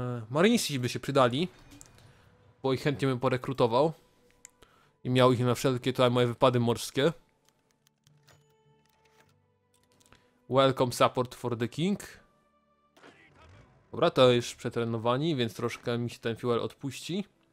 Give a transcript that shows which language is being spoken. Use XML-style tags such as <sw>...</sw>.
<pl>Marynisti by się przydali, bo ich chętnie bym porekrutował i miał ich na wszelkie tutaj moje wypady morskie.</pl> <en>Welcome support for the king.</en> <pl>Dobra, to już przetrenowani, więc troszkę mi się ten fuel odpuści.</pl>